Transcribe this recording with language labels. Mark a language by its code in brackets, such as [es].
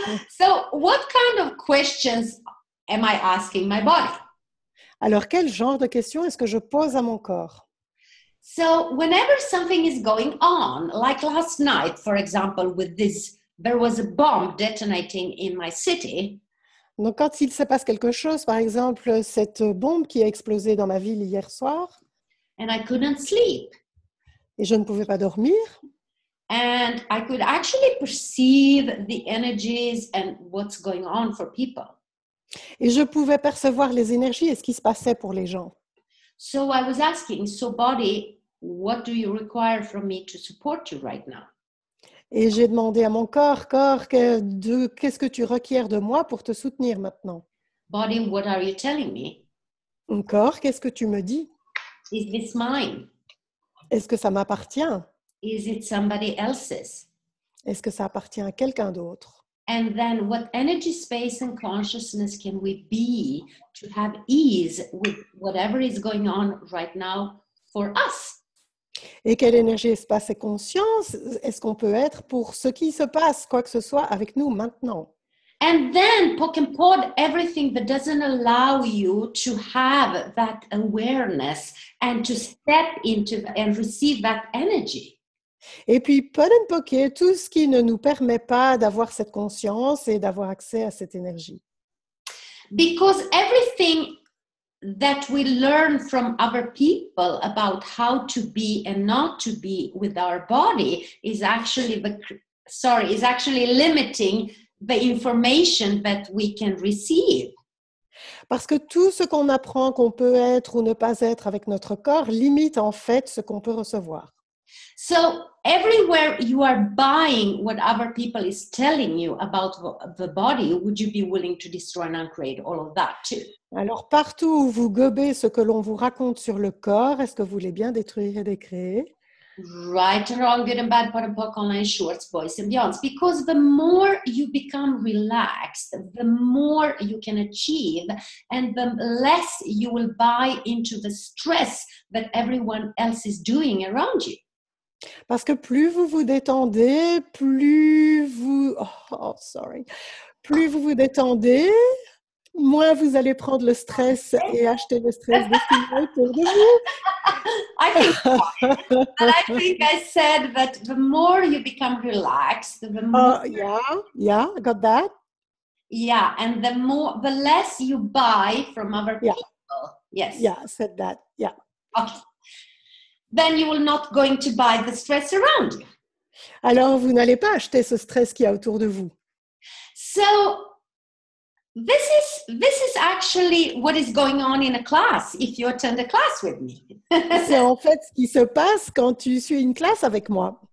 [en] So, what kind of questions am I asking my body? [fr] Alors, quel genre de questions est-ce que je pose à mon corps? [en] So, whenever something is going on, like last night, for example, with this there was a bomb detonating in my city. [fr] Donc, quand il se passe quelque chose, par exemple, cette bombe qui a explosé dans ma ville hier soir. [en] And I couldn't sleep. [fr] Et je ne pouvais pas dormir. [en] And I could actually perceive the energies and what's going on for people. [fr] Et je pouvais percevoir les énergies et ce qui se passait pour les gens. [en] So I was asking, so body, what do you require from me to support you right now? [fr] Et j'ai demandé à mon corps, qu'est-ce que tu requiers de moi pour te soutenir maintenant? [en] Body, what are you telling me? [fr] Mon corps, qu'est-ce que tu me dis? [en] Is this mine? [fr] Est-ce que ça m'appartient? [en] Is it somebody else's? [fr] Est-ce que ça appartient à quelqu'un d'autre? [en] And then what energy space and consciousness can we be to have ease with whatever is going on right now for us? [fr] Et quelle énergie, espace et conscience est-ce qu'on peut être pour ce qui se passe, quoi que ce soit, avec nous maintenant? [en] And then poke and prod everything that doesn't allow you to have that awareness and to step into and receive that energy. [fr] Et puis, [en] pod and poke, [fr] tout ce qui ne nous permet pas d'avoir cette conscience et d'avoir accès à cette énergie. [en] Because everything that we learn from other people about how to be and not to be with our body is actually limiting the information that we can receive. [fr] Parce que tout ce qu'on apprend qu'on peut être ou ne pas être avec notre corps limite en fait ce qu'on peut recevoir. [en] So everywhere you are buying what other people is telling you about the body, would you be willing to destroy and uncreate all of that too? [fr] Alors partout où vous gobez ce que l'on vous raconte sur le corps, est-ce que vous voulez bien détruire et décréer? [en] Right and wrong, good and bad, pot and pock, online shorts, boys and beyonds. Because the more you become relaxed, the more you can achieve, and the less you will buy into the stress that everyone else is doing around you. [fr] Parce que plus vous vous détendez, plus vous vous détendez, moins vous allez prendre le stress et acheter le stress de ce qui autour de vous. [en] I think I said that the more you become relaxed, the more. Yeah, got that. Yeah, and the more, the less you buy from other people. Yes. Yeah, said that. Yeah. Okay. Then you will not going to buy the stress around you. [fr] Alors vous n'allez pas acheter ce stress qu'il y a autour de vous. [en] So. This is actually what is going on in a class if you attend a class with me. [fr] C'est en fait ce qui se passe quand tu suis une classe avec moi.